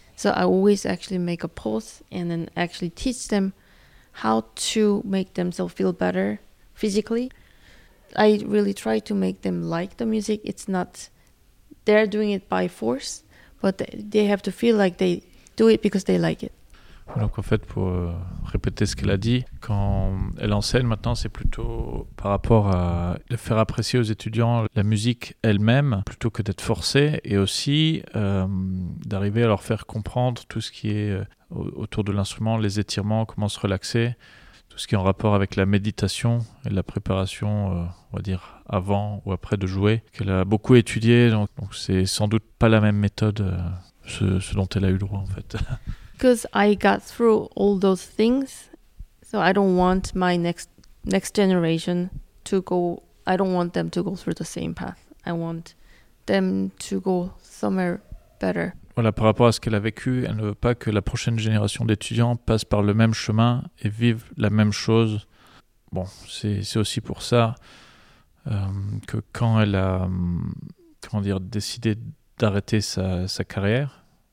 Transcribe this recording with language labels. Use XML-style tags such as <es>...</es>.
<en>So I always actually make a pause and then actually teach them how to make themselves feel better physically. I really try to make them like the music. It's not, they're doing it by force, but they have to feel like they do it because they like it.</en> <fr>Donc en fait, pour répéter ce qu'elle a dit, quand elle enseigne maintenant, c'est plutôt par rapport à faire apprécier aux étudiants la musique elle-même, plutôt que d'être forcé, et aussi d'arriver à leur faire comprendre tout ce qui est autour de l'instrument, les étirements, comment se relaxer, tout ce qui est en rapport avec la méditation et la préparation, on va dire, avant ou après de jouer, qu'elle a beaucoup étudié, donc c'est sans doute pas la même méthode, ce dont elle a eu droit en fait.</fr> <en>Because I got through all those things, so I don't want my next generation to go. I don't want them to go through the same path. I want them to go somewhere better.</en> <fr>Voilà, par rapport à ce qu'elle a vécu, elle ne veut pas que la prochaine génération d'étudiants passe par le même chemin et vive la même chose. Bon, c'est aussi pour ça que quand elle a décidé d'arrêter sa carrière.</fr>